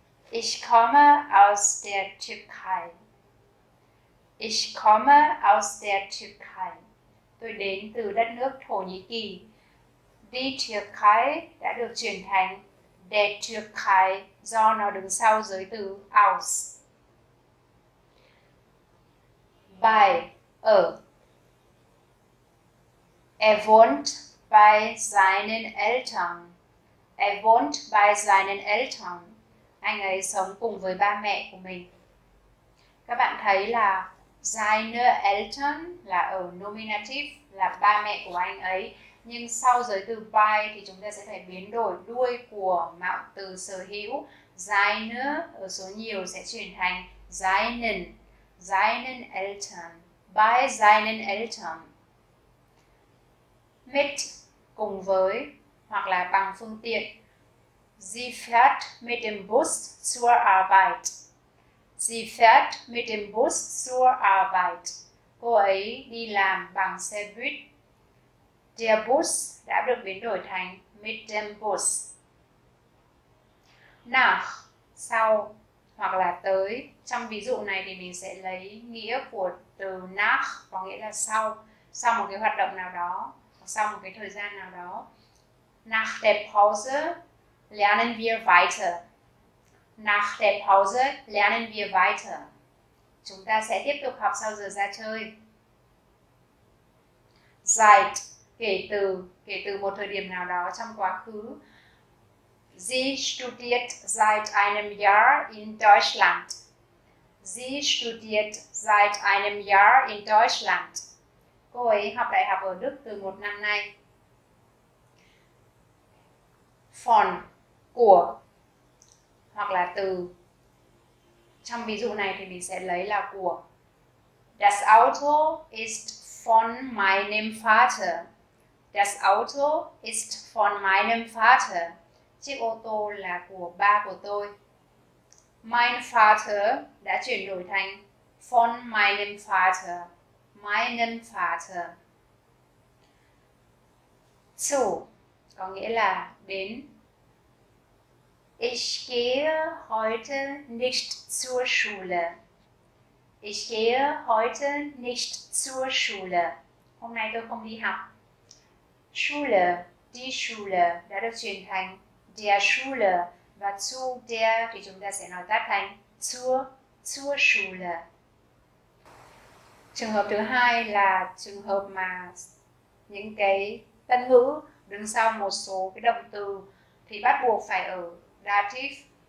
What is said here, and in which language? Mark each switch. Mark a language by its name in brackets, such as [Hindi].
[German] Ich komme aus der Türkei. Ich komme aus der Türkei. [Vietnamese] Tôi đến từ đất nước Thổ Nhĩ Kỳ. [German] Die Türkei [Vietnamese] đã được chuyển thành [German] der Türkei [Vietnamese] do nó đứng sau giới từ aus. [German] Bei. [Vietnamese] Ở. [German] Er wohnt bei seinen Eltern. Er wohnt bei seinen Eltern. [Vietnamese] Anh ấy sống cùng với ba mẹ của mình. Các bạn thấy là [German] seine Eltern [Vietnamese] là ở nominative, là ba mẹ của anh ấy. Nhưng sau giới từ bei thì chúng ta sẽ phải biến đổi đuôi của mạo từ sở hữu. Seine ở số nhiều sẽ chuyển thành seinen. [German] Seinen Eltern. Bei seinen Eltern. [Vietnamese] Mit, cùng với, hoặc là bằng phương tiện. [German] Sie fährt mit dem Bus zur Arbeit. Sie fährt mit dem Bus zur Arbeit. [Vietnamese] Cô ấy đi làm bằng xe buýt. [German] Der Bus [Vietnamese] đã được biến đổi thành [German] mit dem Bus. [Vietnamese] Nach, sau, hoặc là tới. Trong ví dụ này thì mình sẽ lấy nghĩa của từ nach, có nghĩa là sau. Sau một cái hoạt động nào đó, sau một cái thời gian nào đó. [German] Nach der Pause lernen wir weiter. Nach der Pause lernen wir weiter. [Vietnamese] Chúng ta sẽ tiếp tục học sau giờ ra chơi. Seit, kể từ một thời điểm nào đó trong quá khứ. [German] Sie studiert seit einem Jahr in Deutschland. Sie studiert seit einem Jahr in Deutschland. [Vietnamese] Cô ấy học đại học ở Đức từ một năm nay. Von, của, hoặc là từ. Trong ví dụ này thì mình sẽ lấy là của. [German] Das Auto ist von meinem Vater. Das Auto ist von meinem Vater. [Vietnamese] Chiếc ô tô là của ba của tôi. [German] Mein Vater [Vietnamese] đã chuyển đổi thành [German] von meinem Vater. Meinen Vater. [Vietnamese] Zu, có nghĩa là đến. [German] Ich gehe heute nicht zur Schule. Ich gehe heute nicht zur Schule. [Vietnamese] Hôm nay tôi không đi học. Schule, [German] die Schule, [Vietnamese] đã được chuyển thành [German] der Schule [Vietnamese] và zu der thì chúng ta sẽ nói tắt thành [German] zur Schule. [Vietnamese] Trường hợp thứ hai là trường hợp mà những cái tân ngữ đứng sau một số cái động từ thì bắt buộc phải ở dative.